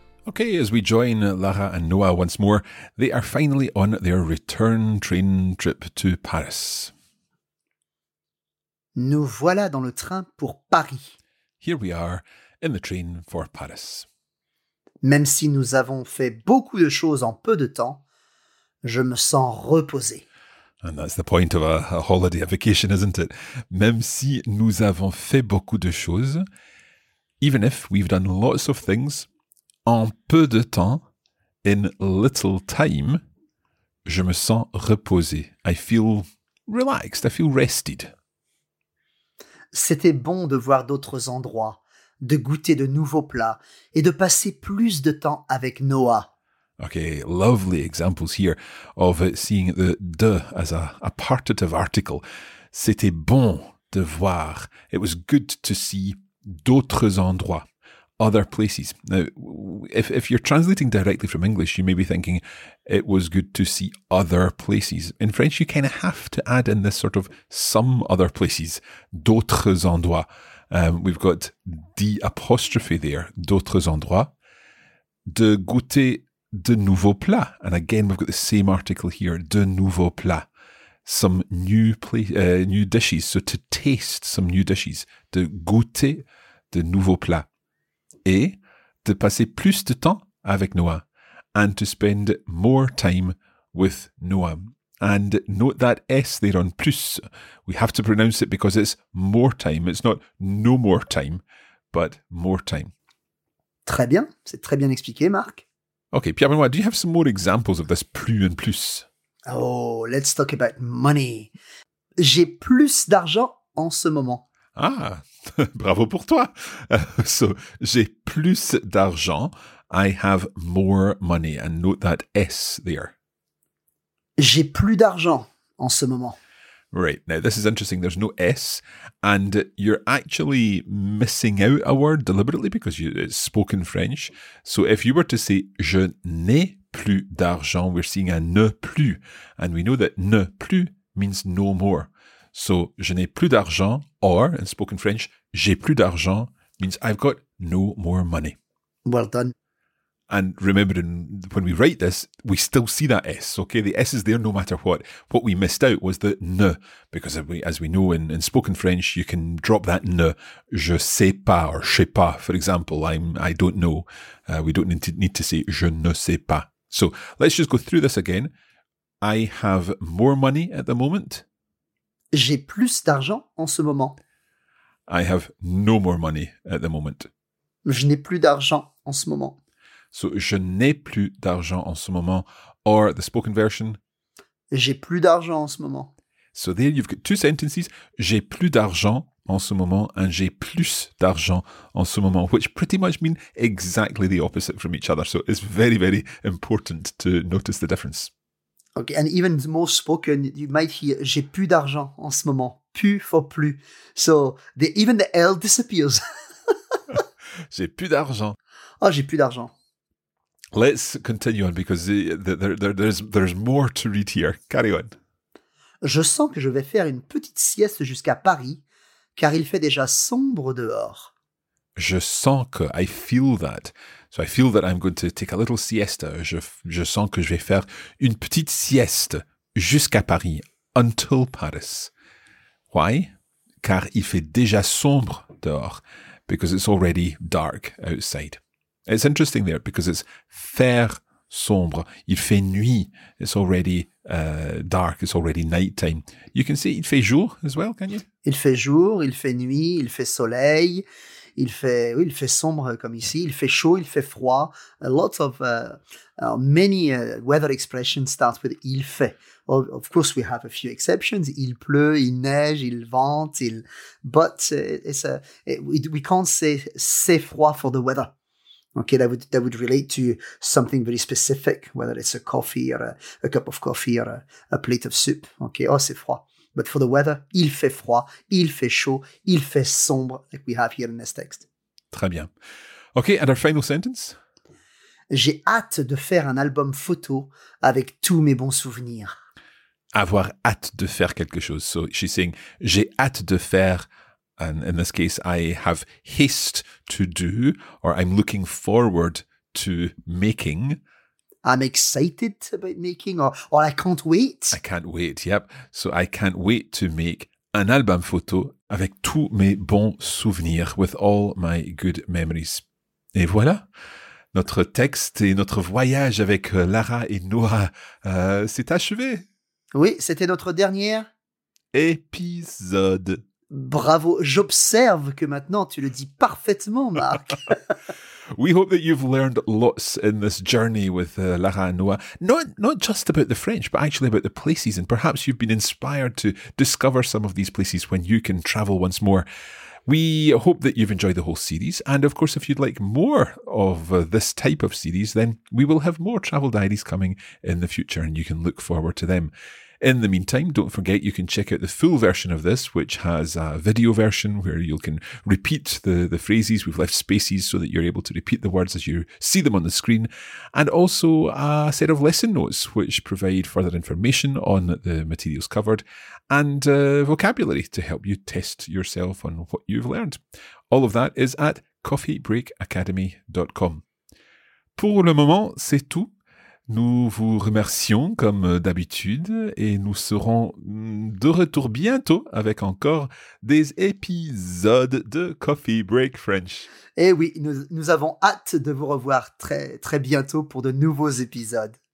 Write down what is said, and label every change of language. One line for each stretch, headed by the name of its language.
English: Okay, as we join Lara and Noah once more, they are finally on their return train trip to Paris.
French: Nous voilà dans le train pour Paris.
English: Here we are in the train for Paris.
French: Même si nous avons fait beaucoup de choses en peu de temps, je me sens reposé.
English: And that's the point of a holiday, a vacation, isn't it?
French: Même si nous avons fait beaucoup de choses,
English: even if we've done lots of things,
French: en peu de temps,
English: in little time,
French: je me sens reposé.
English: I feel relaxed, I feel rested.
French: C'était bon de voir d'autres endroits, de goûter de nouveaux plats et de passer plus de temps avec Noah.
English: Okay, lovely examples here of seeing the de as a partitive article.
French: C'était bon de voir.
English: It was good to see
French: d'autres endroits.
English: Other places. Now, if you're translating directly from English, you may be thinking, it was good to see other places. In French, you kind of have to add in this sort of some other places,
French: d'autres endroits.
English: We've got the apostrophe there,
French: d'autres endroits. De goûter de nouveaux plats.
English: And again, we've got the same article here,
French: de nouveaux plats.
English: Some new new dishes. So to taste some new dishes.
French: De goûter de nouveaux plats. Et de passer plus de temps avec Noah,
English: and to spend more time with Noah. And note that S there on plus. We have to pronounce it because it's more time. It's not no more time, but more time.
French: Très bien. C'est très bien expliqué, Marc.
English: Okay, Pierre-Benoît, do you have some more examples of this plus and plus? Oh, let's talk about money.
French: J'ai plus d'argent en ce moment. Ah, bravo pour toi. So, j'ai plus d'argent.
English: I have more money. And note that S there.
French: J'ai plus d'argent en ce moment.
English: Right. Now, this is interesting. There's no S. And you're actually missing out a word deliberately because it's spoken French. So, if you were to say
French: je n'ai plus d'argent,
English: we're seeing a ne plus. And we know that ne plus means no more. So,
French: je n'ai plus d'argent,
English: or, in spoken French,
French: j'ai plus d'argent
English: means I've got no more money. Well done. And remember, when we write this, we still see that S, okay? The S is there no matter what. What we missed out was the ne, because as we know in spoken French, you can drop that ne.
French: Je sais pas,
English: or
French: je sais pas,
English: for example, I don't know. We don't need to say
French: je ne sais pas.
English: So, let's just go through this again. I have more money at the moment.
French: J'ai plus d'argent en ce moment.
English: I have no more money at the moment.
French: Je n'ai plus d'argent en ce moment. So, je n'ai plus d'argent en ce moment.
English: Or, the spoken version.
French: J'ai plus d'argent en ce moment.
English: So, there you've got two sentences.
French: J'ai plus d'argent en ce moment
English: and
French: j'ai plus d'argent en ce moment,
English: which pretty much mean exactly the opposite from each other. So, it's very, very important to notice the difference. Okay, and even more spoken, you might hear,
French: j'ai plus d'argent en ce moment.
English: Plus for plus. So, even the L disappears.
French: J'ai plus d'argent. Oh, j'ai plus d'argent.
English: Let's continue on, because there's more to read here. Carry on.
French: Je sens que je vais faire une petite sieste jusqu'à Paris, car il fait déjà sombre dehors. Je sens que,
English: I feel that. So I feel that I'm going to take a little siesta.
French: Je sens que je vais faire une petite sieste jusqu'à Paris,
English: until Paris. Why?
French: Car il fait déjà sombre dehors,
English: because it's already dark outside. It's interesting there, because it's faire sombre.
French: Il fait nuit.
English: It's already dark. It's already nighttime. You can say
French: il fait jour
English: as well, can you?
French: Il fait jour, il fait nuit, il fait soleil. Il fait sombre comme ici. Il fait chaud, il fait froid.
English: A lot of many weather expressions start with il fait. Of course, we have a few exceptions.
French: Il pleut, il neige, il vente, il.
English: But it's a. It, we can't say
French: c'est froid
English: for the weather. Okay, that would relate to something very specific, whether it's a coffee or a cup of coffee or a plate of soup. Okay, oh,
French: c'est froid.
English: But for the weather,
French: il fait froid, il fait chaud, il fait sombre,
English: like we have here in this text.
French: Très bien.
English: Okay, and our final sentence?
French: J'ai hâte de faire un album photo avec tous mes bons souvenirs. Avoir hâte de faire quelque chose.
English: So she's saying,
French: j'ai hâte de faire,
English: and in this case, I have haste to do, or I'm looking forward to making. I'm excited about making, or I can't wait. I can't wait, yep. So I can't wait to make an album photo
French: avec tous mes bons souvenirs,
English: with all my good memories.
French: Et voilà. Notre texte et notre voyage avec Lara et Noah, c'est achevé. Oui, c'était notre dernier épisode. Bravo, j'observe que maintenant tu le dis parfaitement, Marc.
English: We hope that you've learned lots in this journey with Lara and Noah. Not just about the French, but actually about the places. And perhaps you've been inspired to discover some of these places when you can travel once more. We hope that you've enjoyed the whole series. And of course, if you'd like more of this type of series, then we will have more travel diaries coming in the future and you can look forward to them. In the meantime, don't forget you can check out the full version of this, which has a video version where you can repeat the phrases. We've left spaces so that you're able to repeat the words as you see them on the screen. And also a set of lesson notes, which provide further information on the materials covered and vocabulary to help you test yourself on what you've learned. All of that is at coffeebreakacademy.com.
French: Pour le moment, c'est tout. Nous vous remercions comme d'habitude et nous serons de retour bientôt avec encore des épisodes de Coffee Break French. Eh oui, nous avons hâte de vous revoir très très bientôt pour de nouveaux épisodes.